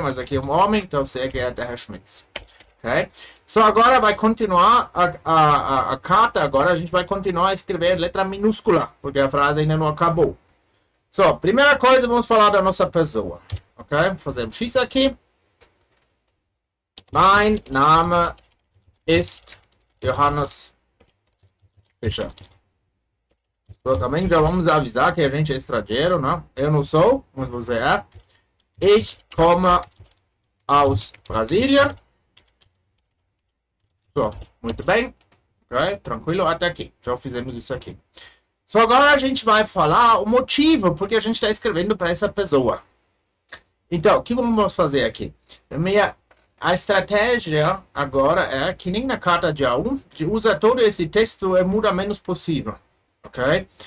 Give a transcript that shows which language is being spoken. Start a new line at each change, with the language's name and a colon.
Portuguese: Mas aqui é um homem, então
German: sehr geehrter Herr Schmidt.
Portuguese: Ok? Só agora vai continuar a carta. Agora a gente vai continuar a escrever letra minúscula, porque a frase ainda não acabou. Só, primeira coisa, vamos falar da nossa pessoa. Ok? Fazer um X aqui.
German: Mein Name ist Johannes Fischer.
Portuguese: Eu também já vamos avisar que a gente é estrangeiro, né? Eu não sou, mas você é.
German: Ich komme aus Brasilien.
Portuguese: So, muito bem. Okay, tranquilo até aqui. Já fizemos isso aqui. Só agora a gente vai falar o motivo porque a gente está escrevendo para essa pessoa. Então, o que vamos fazer aqui? A estratégia agora é que nem na carta de A1, de usar todo esse texto e muda menos possível. Ok?